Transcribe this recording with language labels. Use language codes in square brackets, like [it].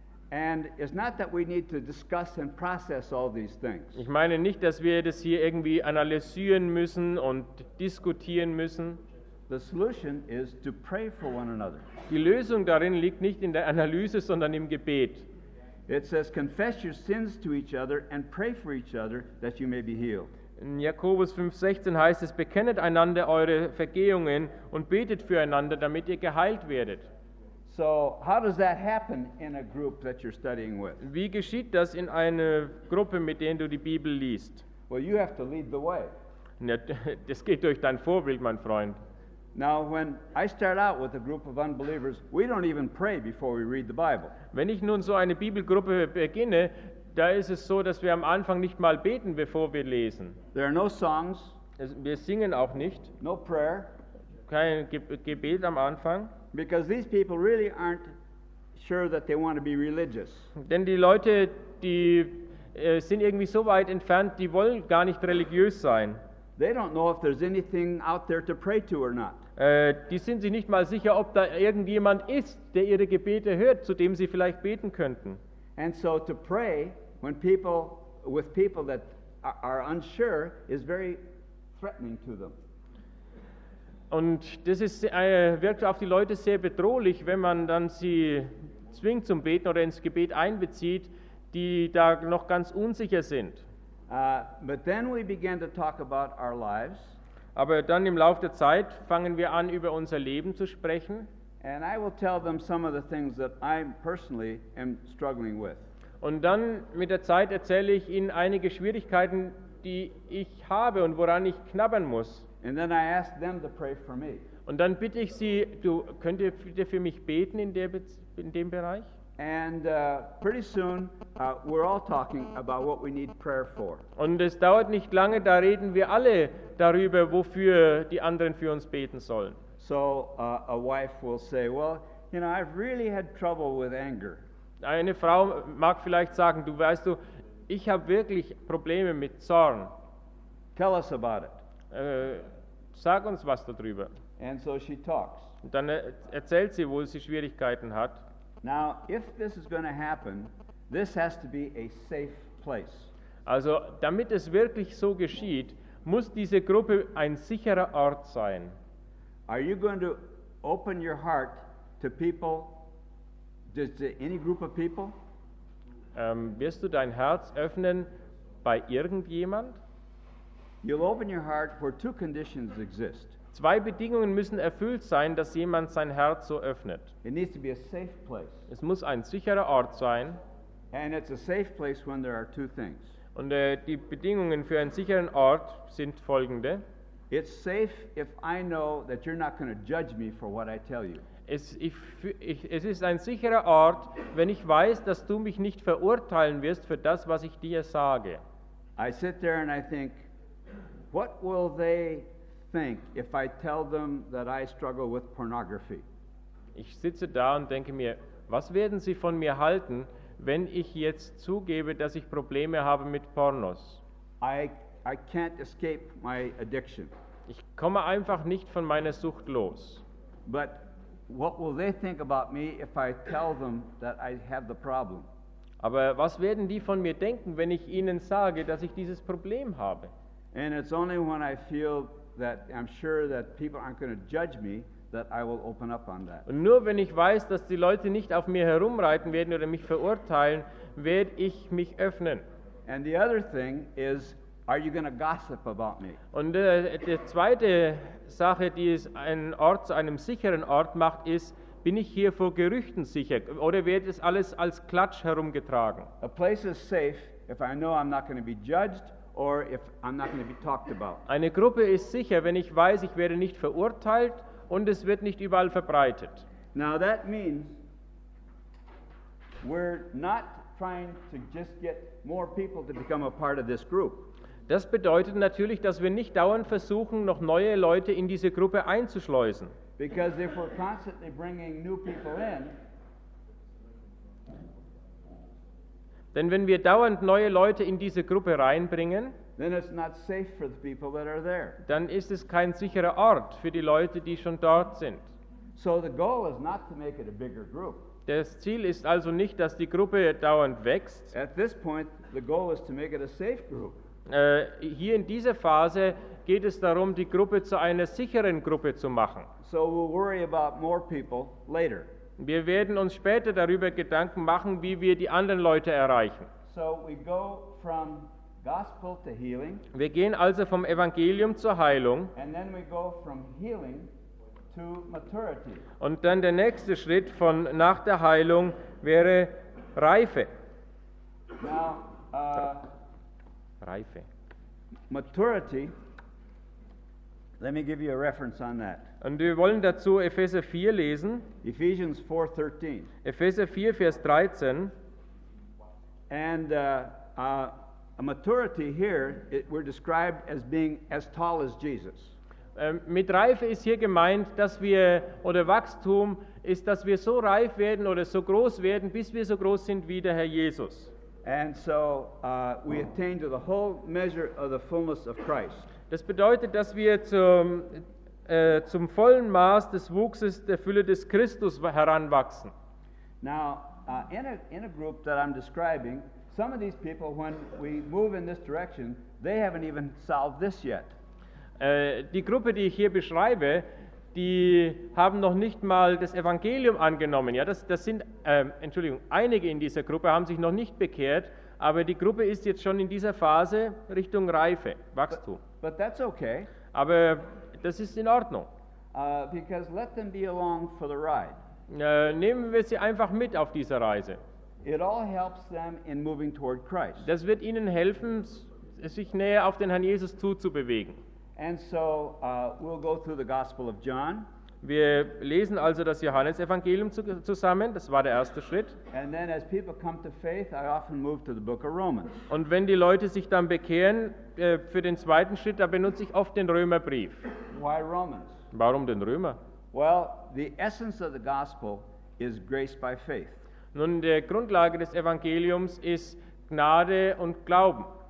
[en] And it's not that we need to discuss and process all these things. [de] Ich meine nicht, dass wir das hier irgendwie analysieren müssen und diskutieren müssen. [en] The solution is to pray for one another. [de] Die Lösung darin liegt nicht in der Analyse, sondern im Gebet. [en] It says, confess your sins to each other and pray for each other that you may be healed. [de] In Jakobus 5,16 heißt es, bekennet einander eure Vergehungen und betet füreinander, damit ihr geheilt werdet. [en] So, how does that happen in a group that you're studying with? [de] Wie geschieht das in einer Gruppe, mit der du die Bibel liest? [en] Well, you have to lead the way. [de] Das geht durch dein Vorbild, mein Freund. [en] Now, when I start out with a group of unbelievers, we don't even pray before we read the Bible. [de] Wenn ich nun so eine Bibelgruppe beginne, da ist es so, dass wir am Anfang nicht mal beten, bevor wir lesen. [en] There are no songs. [de] Wir singen auch nicht. [en] No prayer. [de] Kein Gebet am Anfang. [en] Because these people really aren't sure that they want to be religious. [de] Denn die Leute, die sind irgendwie so weit entfernt, die wollen gar nicht religiös sein. [en] They don't know if there's anything out there to pray to or not. [de] Die sind sich nicht mal sicher, ob da irgendjemand ist, der ihre Gebete hört, zu dem sie vielleicht beten könnten. [en] And so to pray when people with people that are unsure is very threatening to them. [de] Und das ist wirkt auf die Leute sehr bedrohlich, wenn man dann sie zwingt zum Beten oder ins Gebet einbezieht, die da noch ganz unsicher sind. [en] But then we began to talk about our lives. [de] Aber dann im Lauf der Zeit fangen wir an, über unser Leben zu sprechen. [en] And I will tell them some of the things that I personally am struggling with. [de] Und dann mit der Zeit erzähle ich ihnen einige Schwierigkeiten, die ich habe und woran ich knabbern muss. [en] And then I ask them to pray for me. [de] Und dann bitte ich sie, du könnt ihr bitte für mich beten in dem Bereich? [en] And pretty soon we're all talking about what we need prayer for. [de] Und es dauert nicht lange, da reden wir alle darüber, wofür die anderen für uns beten sollen. [en] So a wife will say, well, you know, I've really had trouble with anger. [de] Eine Frau mag vielleicht sagen, du weißt du, ich habe wirklich Probleme mit Zorn. [en] Tell us about it. [de] Sag uns was darüber. [en] And so she talks. [de] Und dann erzählt sie, wo sie Schwierigkeiten hat. [en] Now, if this is going to happen, this has to be a safe place. [de] Also, damit es wirklich so geschieht, muss diese Gruppe ein sicherer Ort sein. [en] Are you going to open your heart to people, just to any group of people? [de] Wirst du dein Herz öffnen bei irgendjemand? [en] You'll open your heart where two conditions exist. [de] Zwei Bedingungen müssen erfüllt sein, dass jemand sein Herz so öffnet. [en] It needs to be a safe place. [de] Es muss ein sicherer Ort sein. [en] And it's a safe place when there are two things. [de] Und die Bedingungen für einen sicheren Ort sind folgende. [en] It's safe if I know that you're not going to judge me for what I tell you. [de] Es ist ein sicherer Ort, wenn ich weiß, dass du mich nicht verurteilen wirst für das, was ich dir sage. [en] I sit there and I think, what will they think if I tell them that I struggle with pornography? [de] Ich sitze da und denke mir, was werden Sie von mir halten, wenn ich jetzt zugebe, dass ich Probleme habe mit Pornos? [en] I can't escape my addiction. [de] Ich komme einfach nicht von meiner Sucht los. [en] But what will they think about me if I tell them that I have the problem? [de] Aber was werden die von mir denken, wenn ich ihnen sage, dass ich dieses Problem habe? [en] And it's only when I feel that I'm sure that people aren't going to judge me that I will open up on that. [de] Und nur wenn ich weiß, dass die Leute nicht auf mir herumreiten werden oder mich verurteilen, werde ich mich öffnen. [en] And the other thing is, are you going to gossip about me? [de] Und die zweite Sache, die es einen Ort zu einem sicheren Ort macht, ist, bin ich hier vor Gerüchten sicher oder wird es alles als Klatsch herumgetragen? [en] A place is safe if I know I'm not going to be judged or if I'm not going to be talked about. [de] Eine Gruppe ist sicher, wenn ich weiß, ich werde nicht verurteilt und es wird nicht überall verbreitet. [en] Now that means we're not trying to just get more people to become a part of this group. [de] Das bedeutet natürlich, dass wir nicht dauernd versuchen, noch neue Leute in diese Gruppe einzuschleusen. [en] Because if we're constantly bringing new people in, [de] denn wenn wir dauernd neue Leute in diese Gruppe reinbringen, [en] then it's not safe for the people that are there. [de] Dann ist es kein sicherer Ort für die Leute, die schon dort sind. [en] So the goal is not to make it a bigger group. [de] Das Ziel ist also nicht, dass die Gruppe dauernd wächst. [en] At this point, the goal is to make it a safe group. [de] Hier in dieser Phase geht es darum, die Gruppe zu einer sicheren Gruppe zu machen. [en] So we'll worry about more people later. [de] Wir werden uns später darüber Gedanken machen, wie wir die anderen Leute erreichen. [en] So we go from gospel to healing. [de] Wir gehen also vom Evangelium zur Heilung. [en] And then we go from healing to maturity. [de] Und dann der nächste Schritt von nach der Heilung wäre Reife. [en] Now, [de] Reife. [en] Maturity. Let me give you a reference on that. [de] Und wir wollen dazu Epheser 4 lesen. [en] Ephesians 4:13. [de] Epheser 4, Vers 13. [en] And a maturity here, we're described as being as tall as Jesus. [de] Mit Reife ist hier gemeint, dass wir, oder Wachstum ist, dass wir so reif werden oder so groß werden, bis wir so groß sind wie der Herr Jesus. [en] And so we attain to the whole measure of the fullness of Christ. [de] Das bedeutet, dass wir zum vollen Maß des Wuchses der Fülle des Christus heranwachsen. [en] Now in a group that I'm describing, some of these people, when we move in this direction, they haven't even solved this yet. [de] Die Gruppe, die ich hier beschreibe, die haben noch nicht mal das Evangelium angenommen. Ja, das sind, einige in dieser Gruppe haben sich noch nicht bekehrt, aber die Gruppe ist jetzt schon in dieser Phase Richtung Reife, Wachstum. [en] But that's okay. [de] Aber das ist in Ordnung. [en] Because let them be along for the ride. [de] Nehmen wir sie einfach mit auf dieser Reise. [en] It all helps them in moving toward Christ. [de] Das wird ihnen helfen, sich näher auf den Herrn Jesus zuzubewegen. [en] And so we'll go through the Gospel of John. [de] Wir lesen also das Johannesevangelium zusammen. Das war der erste Schritt. [en] And then as people come to faith, I often move to the book of Romans. [de] Und wenn die Leute sich dann bekehren, für den zweiten Schritt, da benutze ich oft den Römerbrief. [en] Why Romans? [de] Warum den Römer? [en] Well, the essence of the gospel is grace by faith. [de] Nun, die Grundlage des Evangeliums ist Gnade und Glauben.